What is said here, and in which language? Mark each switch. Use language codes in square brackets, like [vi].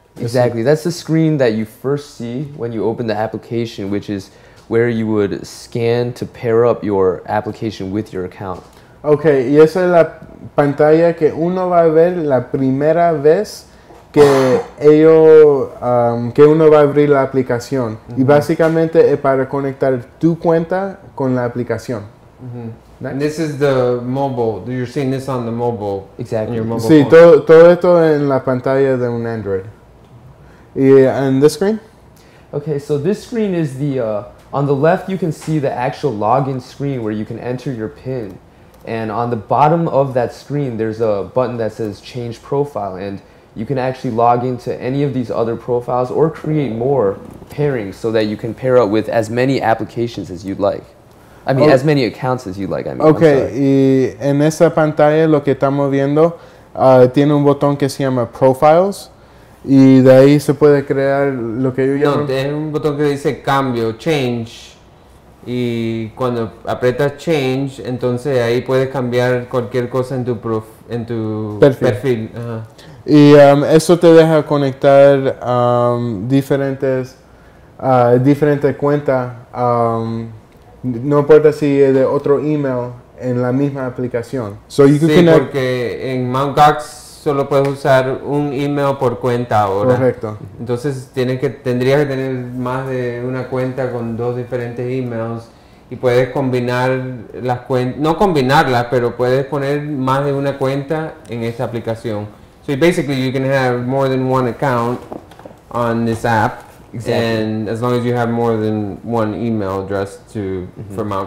[en] Exactly, that's the screen that you first see when you open the application, which is where you would scan to pair up your application with your account. [es] Okay, y esa es la pantalla que uno va a ver la primera vez que ellos, que uno va a abrir la aplicación. Y básicamente es para conectar tu cuenta con la aplicación. [en] And this is the mobile. You're seeing this on the mobile. Exactly. Your mobile sí, phone. [es] Todo esto en la pantalla de un Android. Y en [en] this screen? Okay, so this screen is the, on the left you can see the actual login screen where you can enter your PIN. And on the bottom of that screen there's a button that says change profile, and you can actually log into any of these other profiles or create more pairings so that you can pair up with as many applications as you'd like. I mean, as many accounts as you'd like. I mean, [es] okay, y en esa pantalla lo que estamos viendo tiene un botón que se llama Profiles, y de ahí se puede crear lo que yo llamo... No, tiene un botón que dice Cambio, Change, y cuando aprietas Change, entonces ahí puedes cambiar cualquier cosa en tu, perfil. Y eso te deja conectar diferentes cuentas, no importa si es de otro email, en la misma aplicación. [en] So you can connect. [es] Porque en [en] Mt. [es] Gox solo puedes usar un email por cuenta ahora. Correcto. Entonces tendrías que tener más de una cuenta con dos diferentes emails. Y puedes combinar las cuentas, no combinarlas, pero puedes poner más de una cuenta en esta aplicación. [en] So basically you can have more than one account on this app, exactly. And as long as you have more than one email address to for Mt.